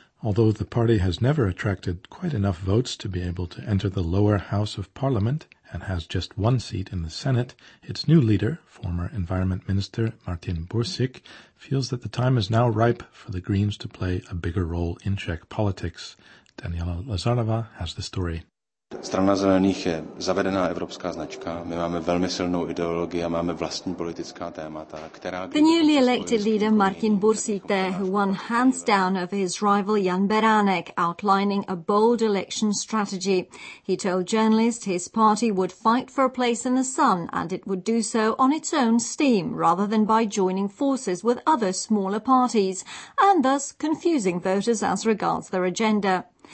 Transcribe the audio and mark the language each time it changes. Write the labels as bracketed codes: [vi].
[en] Although the party has never attracted quite enough votes to be able to enter the lower house of parliament and has just one seat in the Senate, its new leader, former Environment Minister Martin Bursík, feels that the time is now ripe for the Greens to play a bigger role in Czech politics. Daniela Lazarova has the story. [cs] Strana zelených je zavedená evropská značka. My máme velmi silnou ideologii a máme vlastní politická témata, která... [en] The newly elected leader Martin Bursík there, who won hands down over his rival Jan Beránek, outlining a bold election strategy. He told journalists his party would fight for a place in the sun and it would do so on its own steam rather than by joining forces with other smaller parties and thus confusing voters as regards their agenda.